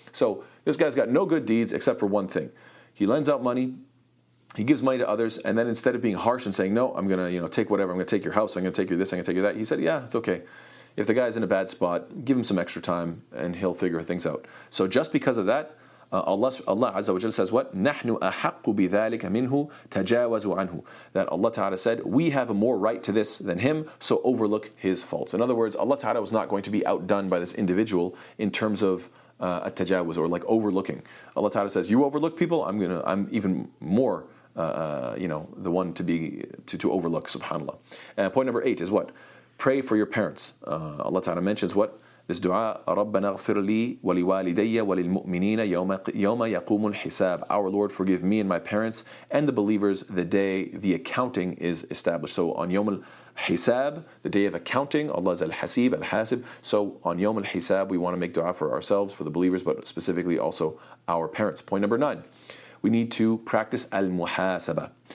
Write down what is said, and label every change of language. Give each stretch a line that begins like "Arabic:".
English: So this guy's got no good deeds except for one thing. He lends out money, he gives money to others, and then instead of being harsh and saying, no, I'm going to, you know, take whatever, I'm going to take your house, I'm going to take you this, I'm going to take you that, he said, yeah, it's okay. If the guy's in a bad spot, give him some extra time and he'll figure things out. So just because of that, Allah Azza wa Jalla says what?
Arabic: نَحْنُ أَحَقُّ بِذَلِكَ مِنْهُ تَجَاوَزُ عَنْهُ.
English: That Allah Ta'ala said, we have a more right to this than him, so overlook his faults. In other words, Allah Ta'ala was not going to be outdone by this individual in terms of a tajawaz, or like overlooking. Allah Ta'ala says, you overlook people, I'm even more the one to overlook, subhanAllah. And point number eight is what? Pray for your parents. Allah Ta'ala mentions what? This dua,
Arabic: رَبَّنَا اغْفِرْ لِي وَلِوَالِدَيَّ وَلِلْمُؤْمِنِينَ يَوْمَ يَقُومُ الْحِسَابِ.
English: Our Lord, forgive me and my parents and the believers the day the accounting is established. So on Yawm al-Hisab, the day of accounting, Allah is Al-Haseeb, Al-Hasib. So on Yawm al-Hisab, we want to make dua for ourselves, for the believers, but specifically also our parents. Point number nine, we need to practice al-muhasaba.